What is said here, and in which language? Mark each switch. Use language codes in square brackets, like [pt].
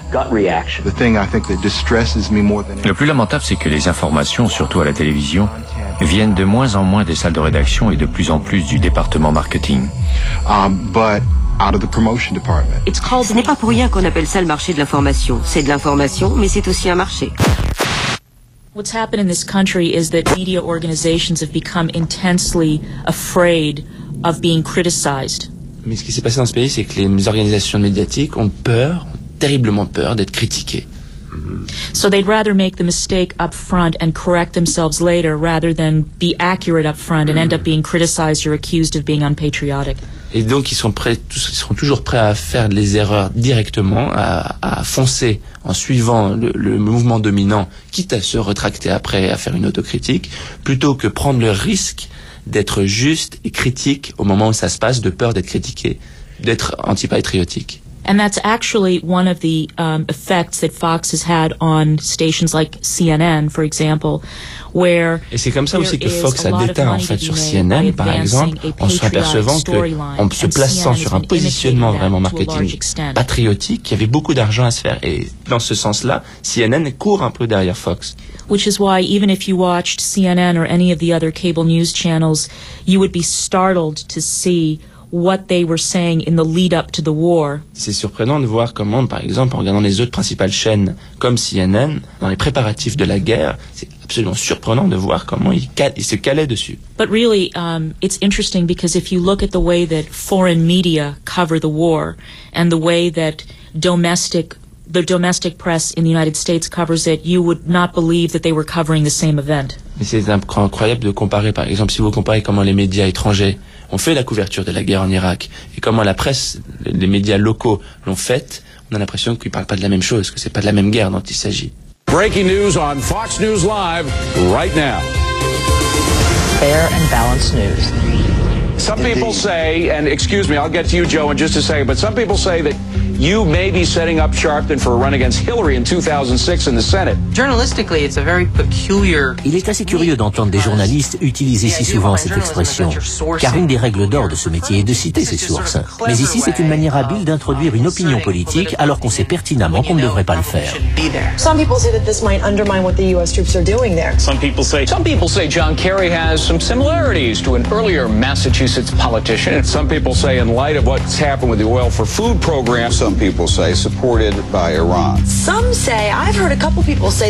[fr] Le plus lamentable, c'est que les informations, surtout à la télévision, viennent de moins en moins des salles de rédaction et de plus en plus du département marketing. Ce n'est pas pour rien qu'on appelle ça le marché de l'information. C'est de l'information, mais c'est aussi un marché. [en] What's happened in this country is that media organizations have become intensely afraid of being criticized. [fr] Mais ce qui s'est passé dans ce pays, c'est que les organisations médiatiques ont peur, terriblement peur, d'être critiquées. [en] So they'd rather make the mistake up front and correct themselves later rather than be accurate up front and end up being criticized or accused of being unpatriotic. [fr] Et donc ils sont prêts, ils seront toujours prêts à faire les erreurs directement, à foncer en suivant le mouvement dominant, quitte à se retracter après, à faire une autocritique, plutôt que prendre le risque d'être juste et critique au moment où ça se passe, de peur d'être critiqué, d'être antipatriotique. [en] And that's actually one of the effects that Fox has had on stations like CNN, for example, where. [fr] Et c'est comme ça aussi que Fox a déteint en fait sur CNN, par exemple, en s'apercevant que, en se plaçant sur un positionnement vraiment marketing patriotique, il y avait beaucoup d'argent à se faire. Et dans ce sens-là, CNN court un peu derrière Fox. [en] Which is why, even if you watched CNN or any of the other cable news channels, you would be startled to see what they were saying in the lead up to the war. [fr] C'est surprenant de voir comment, par exemple, en regardant les autres principales chaînes comme CNN, dans les préparatifs de la guerre, c'est absolument surprenant de voir comment ils se calaient dessus. [en] But really, it's interesting because if you look at the way that foreign media cover the war and the way that the domestic press in the United States covers it, you would not believe that they were covering the same event. [fr] Mais c'est incroyable de comparer, par exemple, si vous comparez comment les médias étrangers on fait la couverture de la guerre en Irak. Et comment la presse, les médias locaux l'ont faite, on a l'impression qu'ils ne parlent pas de la même chose, que ce n'est pas de la même guerre dont il s'agit. [en] Breaking news on Fox News Live, right now. Fair and balanced news. Some people say, and excuse me, I'll get to you, Joe, in just a second, but some people say that you may be setting up Sharpton for a run against Hillary in 2006 in the Senate. Journalistically, it's a very peculiar. [fr] Il est assez curieux d'entendre des journalistes utiliser si souvent cette expression, car une des règles d'or de ce métier est de citer ses sources. Mais ici, c'est une manière habile d'introduire une opinion politique alors qu'on sait pertinemment qu'on ne devrait pas le faire. [en] Some people say that this might undermine what the U.S. troops are doing there. Some people say John Kerry has some similarities to an earlier Massachusetts. Politician. And some people say, in light of what's happened with the oil for food program, some people say supported by Iran. Some say, I've heard a couple people say.